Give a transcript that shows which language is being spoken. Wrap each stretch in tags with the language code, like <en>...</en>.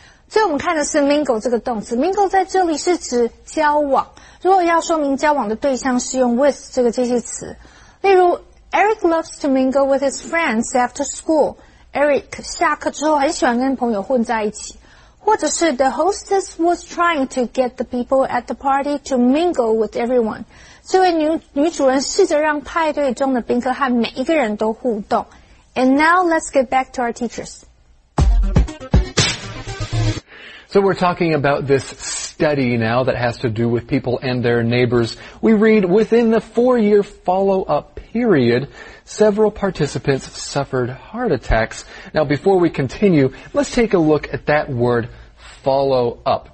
<zh>最后我们看的是 mingle 这个动词， mingle 在这里是指交往，如果要说明交往的对象是用 with 这个这些词。例如</zh> <en>Eric loves to mingle with his friends after school.</en> <zh>Eric 下课之后很喜欢跟朋友混在一起。或者是</zh> <en>the hostess was trying to get the people at the party to mingle with everyone.</en> <zh>这位 女主人试着让派对中的宾客和每一个人都互动。</zh> <en>And now let's get back to our teachers. So we're talking about this study now that has to do with people and their neighbors. We read, within the 4-year follow-up period... Several participants suffered heart attacks. Now, before we continue, let's take a look at that word, follow up.</en>